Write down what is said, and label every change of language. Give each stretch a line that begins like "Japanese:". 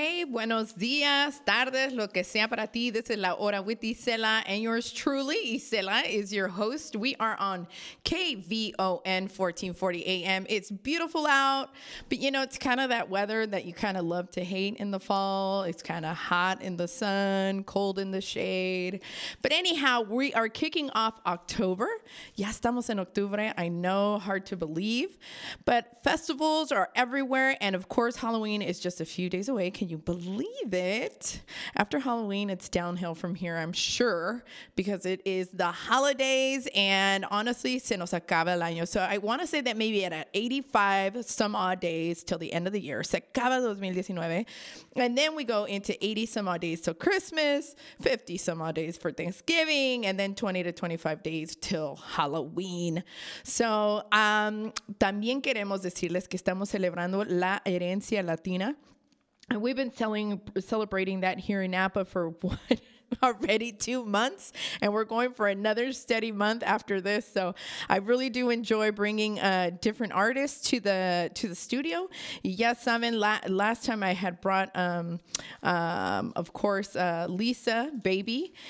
Spanish: buenos días, tardes, lo que sea para ti.
English: This is La Hora with Isela, and yours truly, Isela, is your host. We are on KVON 1440 AM. It's beautiful out, but you know, it's kind of that weather that you kind of love to hate in the fall. It's kind of hot in the sun, cold in the shade. But anyhow, we are kicking off October.
Spanish: Ya estamos en octubre.
English: I know, hard to believe, but festivals are everywhere, and of course, Halloween is just a few days away. Can you believe it? After Halloween, it's downhill from here, I'm sure, because it is the holidays, and honestly,
Spanish: se nos acaba el año.
English: So I want to say that maybe at 85 some odd days till the end of the year,
Spanish: se acaba 2019,
English: and then we go into 80 some odd days till Christmas, 50 some odd days for Thanksgiving, and then 20 to 25 days till Halloween.
Spanish: So también queremos decirles que estamos celebrando la herencia latina.
English: And we've been celebrating that here in Napa for what, already 2 months? And we're going for another steady month after this. So I really do enjoy bringing different artists to the studio. Yes, Simon, last time I had brought, of course, Lisa Baby.